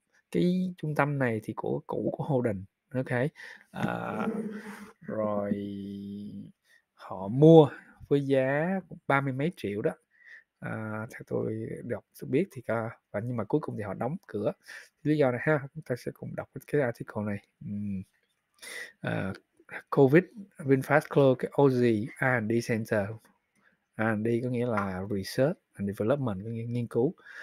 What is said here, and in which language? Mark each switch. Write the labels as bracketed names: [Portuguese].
[Vietnamese] Cái trung tâm này thì của cũ của Holden, ok. Rồi họ mua với giá 30 mấy triệu đó, theo tôi đọc tôi biết thì và nhưng mà cuối cùng thì họ đóng cửa. Lý do này ha, chúng ta sẽ cùng đọc cái article này. [English] COVID, VinFast closed Oxy R&D Center. [Vietnamese] R&D có nghĩa là [English] research and development, [Vietnamese] có nghĩa là nghiên cứu.